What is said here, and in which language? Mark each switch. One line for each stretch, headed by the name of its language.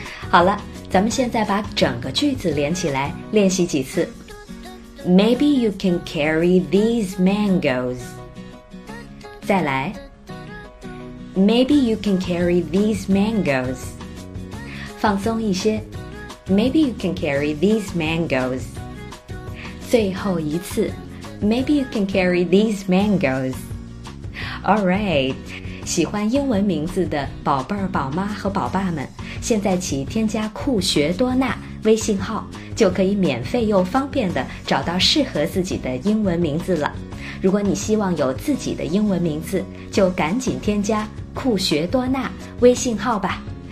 Chinese: 好了，咱们现在把整个句子连起来练习几次。
English: Maybe you can carry these mangoes.
Chinese: 再来。
English: Maybe you can carry these mangoes.
Chinese: 放松一些。
English: Maybe you can carry these mangoes.
Chinese: 最后一次。
English: Maybe you can carry these mangoes. All right.
Chinese: 喜欢英文名字的宝贝儿、宝妈和宝爸们，现在起添加酷学多纳微信号，就可以免费又方便地找到适合自己的英文名字了。如果你希望有自己的英文名字，就赶紧添加酷学多纳微信号吧。